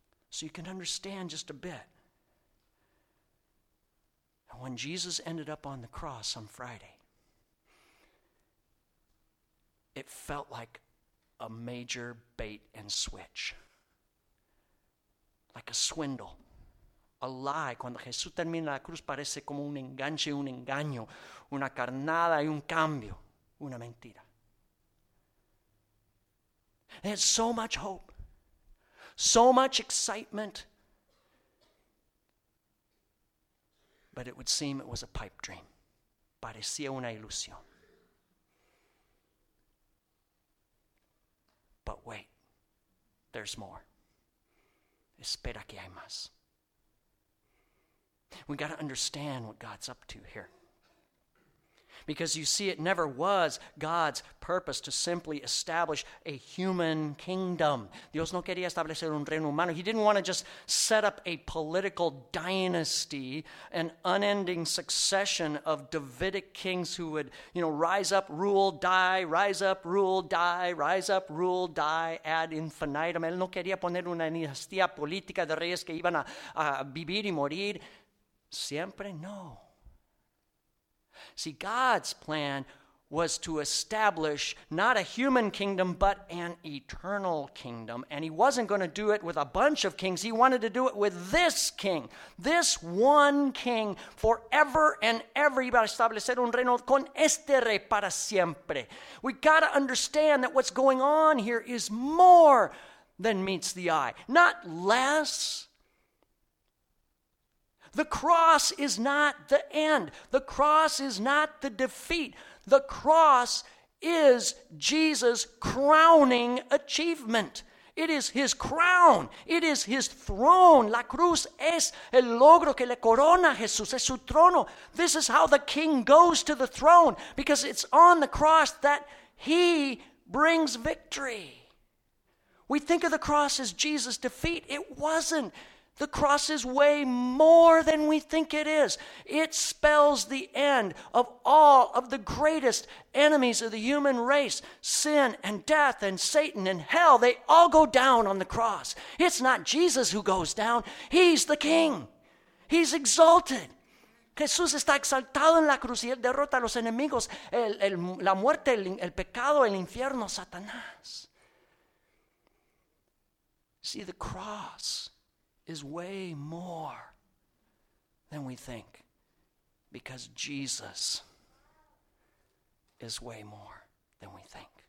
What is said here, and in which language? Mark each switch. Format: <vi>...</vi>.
<en>So you can understand just a bit. And when Jesus ended up on the cross on Friday, it felt like a major bait and switch. Like a swindle. A lie.</en> <es>Cuando Jesús termina la cruz parece como un enganche, un engaño. Una carnada y un cambio. Una mentira.</es> <en>They had so much hope. So much excitement. But it would seem it was a pipe dream.</en> <es>Parecía una ilusión.</es> <en>But wait, there's more.</en> <es>Espera que hay más.</es> <en>We got to understand what God's up to here. Because you see, it never was God's purpose to simply establish a human kingdom.</en> <es>Dios no quería establecer un reino humano.</es> <en>He didn't want to just set up a political dynasty, an unending succession of Davidic kings who would, you know, rise up, rule, die, rise up, rule, die, rise up, rule, die, ad infinitum.</en> <es>Él no quería poner una dinastía política de reyes que iban a vivir y morir. Siempre no.</es> <en>See, God's plan was to establish not a human kingdom, but an eternal kingdom. And he wasn't going to do it with a bunch of kings. He wanted to do it with this king, this one king forever and ever.</en> <es>Iba a establecer un reino con este rey para siempre.</es> <en>We got to understand that what's going on here is more than meets the eye, not less. The cross is not the end. The cross is not the defeat. The cross is Jesus' crowning achievement. It is his crown. It is his throne.</en> <es>La cruz es el logro que le corona a Jesús. Es su trono.</es> <en>This is how the king goes to the throne, because it's on the cross that he brings victory. We think of the cross as Jesus' defeat. It wasn't. The cross is way more than we think it is. It spells the end of all of the greatest enemies of the human race. Sin and death and Satan and hell, they all go down on the cross. It's not Jesus who goes down. He's the king. He's exalted.</en> <es>Jesús está exaltado en la cruz y él derrota a los enemigos, la muerte, el pecado, el infierno, Satanás.</es> <en>See, the cross is way more than we think, because Jesus is way more than we think.</en>